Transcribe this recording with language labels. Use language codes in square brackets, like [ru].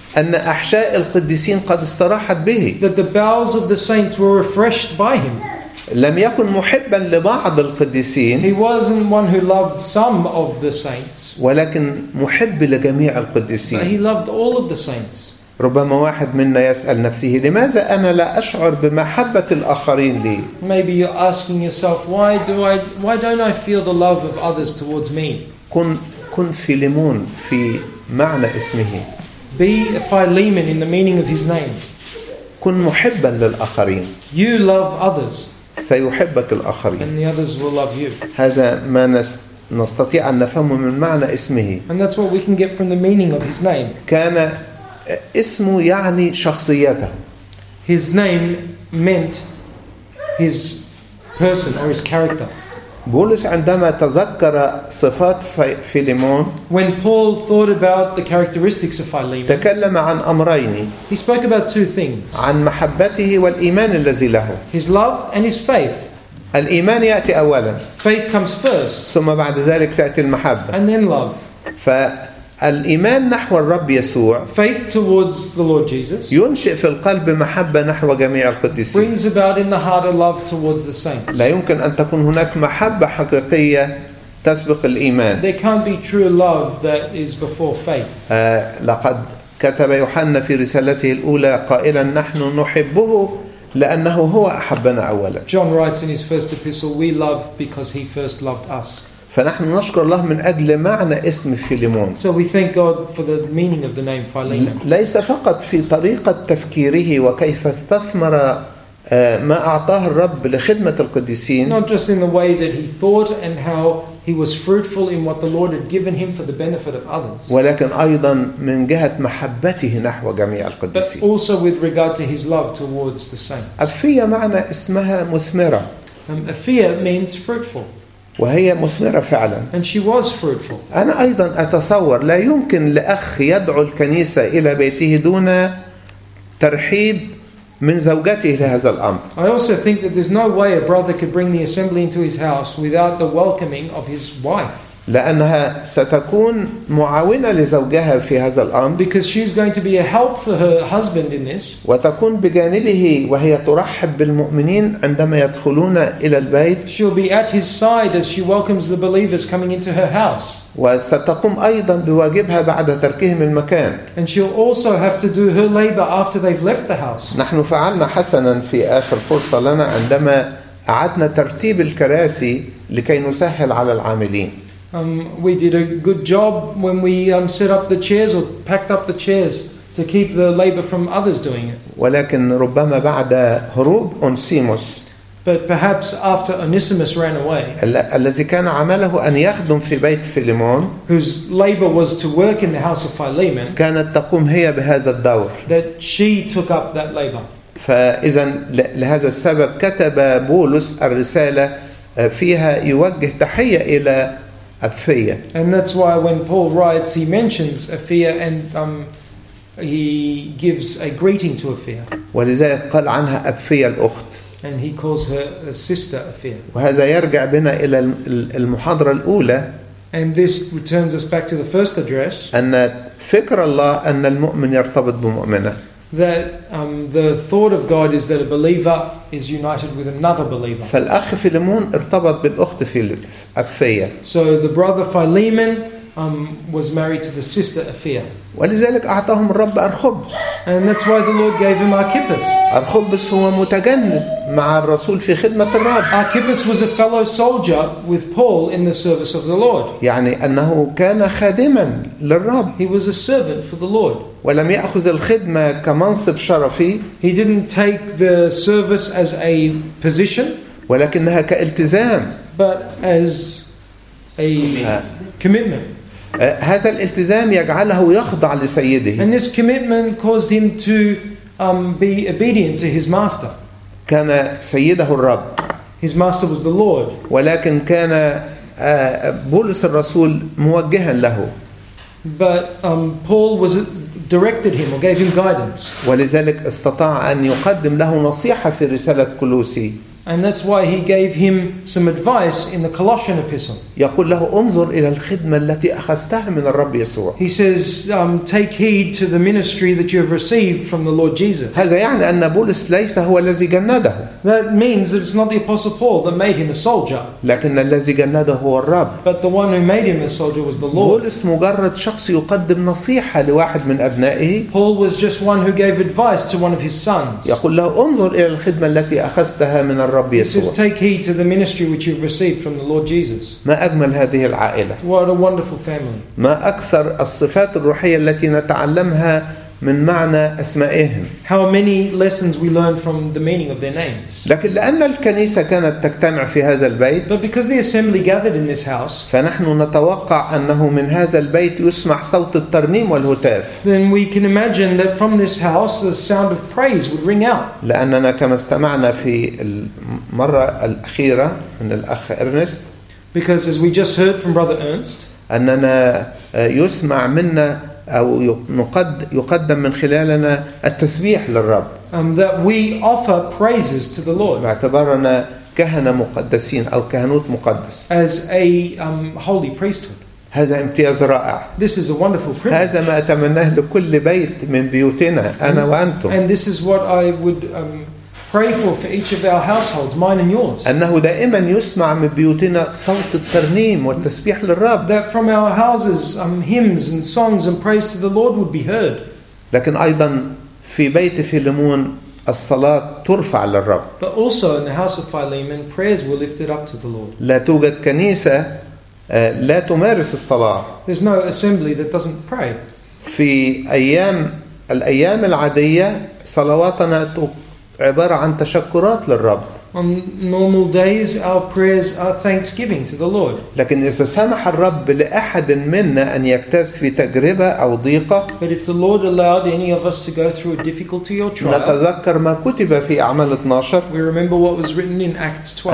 [ar] أن أحشاء القديسين قد استراحت به. [en] That the bowels of the saints were refreshed by him. [ar] لم يكن محبا لبعض القديسين. [en] He wasn't one who loved some of the saints. [ar] ولكن محب لجميع القديسين. [en] But he loved all of the saints. [ar] ربما واحد منا يسأل نفسه لماذا أنا لا أشعر بمحبة الآخرين لي. [en] Maybe you're asking yourself why don't I feel the love of others towards me. [ar] كن كن فيليمون في معنى اسمه. [en] Be Philemon in the meaning of his name. [ar] كن محبا للآخرين. [en] You love others. [ar] سيحبك الآخرين. [en] And the others will love you. [ar] هذا ما نستطيع أن نفهمه من معنى اسمه. [en] And that's what we can get from the meaning of his name. [ar] كان اسمه يعني شخصيته. [en] His name meant his person or his character. [ar] بولس عندما تذكر صفات فيليمون. [en] When Paul thought about the characteristics of Philemon. [ar] تكلم عن أمرين. [en] He spoke about two things. [ar] عن محبته والإيمان الذي له. [en] His love and his faith. [ar] الإيمان يأتي أولا. [en] Faith comes first. [ar] ثم بعد ذلك تأتي المحبة. [en] And then love. [ar] فالإيمان نحو الرب يسوع. [en] Faith towards the Lord Jesus. [ar] ينشئ في القلب محبة نحو جميع القديسين. [en] Brings about in the heart a love towards the saints. [ar] لا يمكن أن تكون هناك محبة حقيقية تسبق الإيمان. [en] There can't be true love that is before faith. [ar] لقد كتب يوحنا في رسالته الأولى قائلا نحن نحبه. لأنه هو أحبنا أولا. [en] John writes in his first epistle, "We love because he first loved us." [ar] فنحن نشكر الله من أجل معنى اسم فيليمون. [en] So we thank God for the meaning of the name Philemon. [ar] ليس فقط في طريقة تفكيره وكيف استثمر ما أعطاه الرب لخدمة القديسين. [en] Not just in the way that he thought and how he was fruitful in what the Lord had given him for the benefit of others. [ar] ولكن أيضا من جهة محبته نحو جميع القديسين. [en] But also with regard to his love towards the saints. [ar] أفية معنى اسمها مثمرة. [en] أفية means fruitful. [ar] وهي مثمرة فعلا. [en] And she was fruitful. [ar] أنا أيضا أتصور لا يمكن لأخ يدعو الكنيسة إلى بيته دون ترحيب من زوجته لهذا الأمر. [en] I also think that there's no way a brother could bring the assembly into his house without the welcoming of his wife. [ar] لأنها ستكون معاونة لزوجها في هذا الأمر. [en] Because she's going to be a help for her husband in this. [ar] وتكون بجانبه وهي ترحب بالمؤمنين عندما يدخلون إلى البيت. [en] She'll be at his side as she welcomes the believers coming into her house. [ar] وستقوم أيضا بواجبها بعد تركهم المكان. [en] And she'll also have to do her labor after they've left the house. [ar] نحن فعلنا حسنا في آخر فرصة لنا عندما أعدنا ترتيب الكراسي لكي نسهل على العاملين. [en] We did a good job when we set up the chairs or packed up the chairs to keep the labor from others doing it. [ar] ولكن ربما بعد هروب أونسيموس. [en] But perhaps after Onesimus ran away. [ar] الذي كان عمله أن يخدم في بيت فيليمون. [en] Whose labor was to work in the house of Philemon. [ar] كانت تقوم هي بهذا الدور. [en] That she took up that labor. [ar] فإذا لهذا السبب كتب بولس الرسالة فيها يوجه تحية إلى أفيه. [en] And that's why when Paul writes, he mentions Apphia and he gives a greeting to Apphia. [ar] ولذلك قال عنها أفيه الأخت. [en] And he calls her a sister Apphia. [ar] وهذا يرجع بنا إلى المحاضرة الأولى. [en] And this returns us back to the first address. [ar] أن فكر الله أن المؤمن يرتبط بمؤمنة. [en] That the thought of God is that a believer is united with another believer. [ar] فالأخ فيليمون ارتبط بالأخت أفية. [en] So the brother Philemon was married to the sister Apphia. [ar] ولذلك أعطاهم الرب أرخب. [en] And that's why the Lord gave him Archippus. [ar] أرخبس هو متجند مع الرسول في خدمة الرب. [en] Archippus was a fellow soldier with Paul in the service of the Lord. [ar] يعني أنه كان خادما للرب. [en] He was a servant for the Lord. [ar] ولم يأخذ الخدمة كمنصب شرفي. [en] He didn't take the service as a position. [ar] ولكنها كالتزام. [en] But as a commitment. [ar] هذا الالتزام يجعله يخضع لسيده. [en] And this commitment caused him to be obedient to his master. [ar] كان سيده الرب. [en] His master was the Lord. [ar] ولكن كان بولس الرسول موجها له. [en] But Paul was directed him or gave him guidance. [ar] ولذلك استطاع أن يقدم له نصيحة في رسالة كولوسي. [en] And that's why he gave him some advice in the Colossian epistle. [ar] يقول له انظر إلى الخدمة التي أخذتها من الرب يسوع. [en] He says, take heed to the ministry that you have received from the Lord Jesus. [ar] هذا يعني أن بولس ليس هو الذي جنده. [en] That means that it's not the Apostle Paul that made him a soldier. [ar] لكن الذي جنده هو الرب. [en] But the one who made him a soldier was the Lord. [ar] بولس مجرد شخص يقدم نصيحة لواحد من أبنائه. [en] Paul was just one who gave advice to one of his sons. [ar] يقول له انظر إلى الخدمة التي أخذتها من الرب. الرب يسوع. [en] He says, take heed to the ministry which you've received from the Lord Jesus. [ar] ما أجمل هذه العائلة. [en] What a wonderful family. [ar] ما أكثر الصفات الروحية التي نتعلمها من معنى أسمائهم. [en] How many lessons we learn from the meaning of their names. [ar] لكن لأن الكنيسة كانت تجتمع في هذا البيت. [en] But because the assembly gathered in this house. [ar] فنحن نتوقع أنه من هذا البيت يسمع صوت الترنيم والهتاف. [en] Then we can imagine that from this house the sound of praise would ring out. [ar] لأننا كما استمعنا في المرة الأخيرة من الأخ إرنست. [en] Because as we just heard from Brother Ernst. [ar] أننا يسمع منا أو يقدم من خلالنا التسبيح للرب. [en] That we offer praises to the Lord. [ar] باعتبارنا كهنة مقدسين أو كهنوت مقدس. [en] As a holy priesthood. [ar] هذا امتياز رائع. [en] This is a wonderful privilege. [ar] هذا ما أتمناه لكل بيت من بيوتنا أنا وأنتم. [en] And this is what I would pray for each of our households, mine and yours. [ar] أنه دائما يسمع من بيوتنا صوت الترنيم والتسبيح للرب. [en] That from our houses, hymns and songs and praise to the Lord would be heard. [ar] لكن أيضا في بيت فيلمون الصلاة ترفع للرب. [en] But also in the house of Philemon, prayers were lifted up to the Lord. [ar] لا توجد كنيسة لا تمارس الصلاة. [en] There's no assembly that doesn't pray. [ar] في الأيام العادية صلواتنا عبارة عن تشكرات للرب. [en] On normal days, our prayers are thanksgiving to the Lord. [ar] لكن إذا سمح الرب لأحد منا أن يكتس في تجربة أو ضيقة. [en] But if the Lord allowed any of us to go through a difficulty or trial. [ar] نتذكر ما كتب في أعمال 12. [en] We remember what was written in Acts 12.